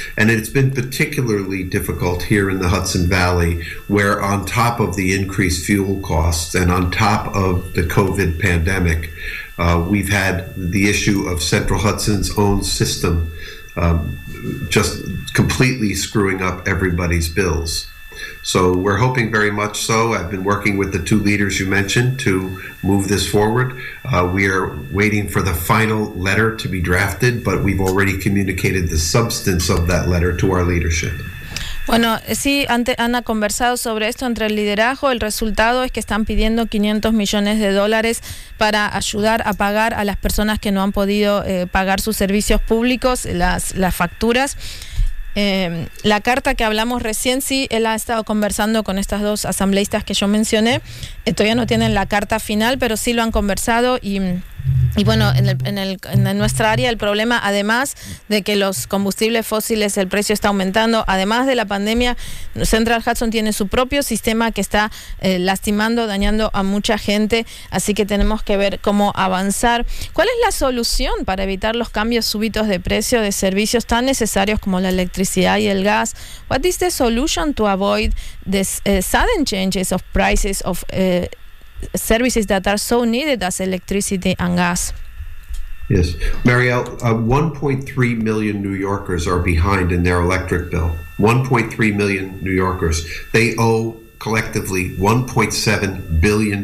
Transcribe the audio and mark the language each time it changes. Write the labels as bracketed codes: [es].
[en] And it's been particularly difficult here in the Hudson Valley, where on top of the increased fuel costs and on top of the COVID pandemic, we've had the issue of Central Hudson's own system just completely screwing up everybody's bills. So we're hoping very much so. I've been working with the two leaders you mentioned to move this forward. We are waiting for the final letter to be drafted, but we've already communicated the substance of that letter to our leadership. [es] Bueno, sí, han conversado sobre esto entre el liderazgo. El resultado es que están pidiendo $500 millones para ayudar a pagar a las personas que no han podido pagar sus servicios públicos, las facturas. La carta que hablamos recién, sí, él ha estado conversando con estas dos asambleístas que yo mencioné. Todavía no tienen la carta final, pero sí lo han conversado y Y bueno, en nuestra área el problema, además de que los combustibles fósiles, el precio está aumentando, además de la pandemia, Central Hudson tiene su propio sistema que está lastimando, dañando a mucha gente, así que tenemos que ver cómo avanzar. ¿Cuál es la solución para evitar los cambios súbitos de precio de servicios tan necesarios como la electricidad y el gas? [en] What is the solution to avoid the sudden changes of prices of services that are so needed as electricity and gas? Yes. Marielle, 1.3 million New Yorkers are behind in their electric bill. 1.3 million New Yorkers. They owe collectively $1.7 billion.